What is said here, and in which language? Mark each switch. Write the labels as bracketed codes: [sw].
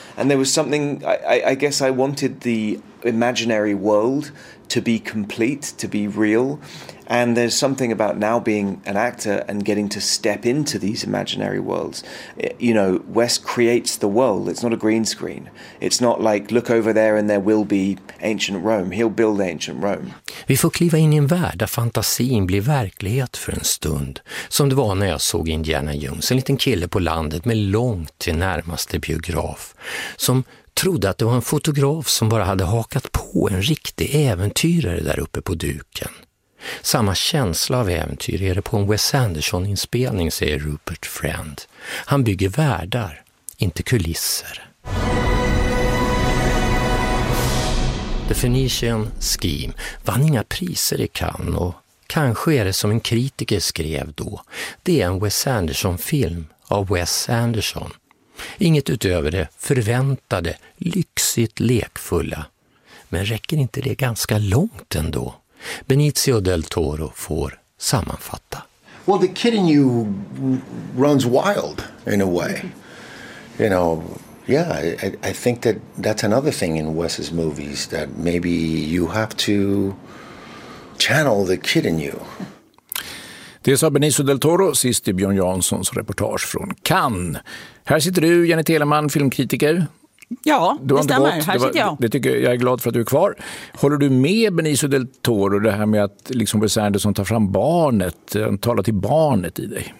[en] And there was something, I guess I wanted the imaginary world to be complete, to be real. And there's something about now being an actor and getting to step into these imaginary worlds. You know, Wes creates the world. It's not a green screen. It's not like, look over there and there will be ancient Rome. He'll build ancient Rome. [sv] Vi får kliva in i en värld där fantasin blir verklighet för en stund. Som det var när jag såg Indiana Jones, en liten kille på landet med långt till närmaste biograf. Som trodde att det var en fotograf som bara hade hakat på en riktig äventyrare där uppe på duken. Samma känsla av äventyr är det på en Wes Anderson-inspelning, säger Rupert Friend. Han bygger världar, inte kulisser. The Phoenician Scheme vann inga priser i Cannes, och kanske är det som en kritiker skrev då. Det är en Wes Anderson-film av Wes Anderson. Inget utöver det förväntade, lyxigt lekfulla. Men räcker inte det ganska långt ändå? Benicio del Toro får sammanfatta. [en] Well, the kid in you runs wild in a way. You know, yeah, I think that that's another thing in Wes's movies, that maybe you have to channel the kid in you. [sv] Det sa Benicio del Toro sist i Björn Janssons reportage från Cannes. Här sitter du, Jenny Telemann, filmkritiker. Ja, det stämmer. Här sitter jag. Det tycker jag är glad för att du är kvar. Håller du med Benicio del Toro det här med att liksom Wes Anderson tar fram barnet, talar till barnet i dig?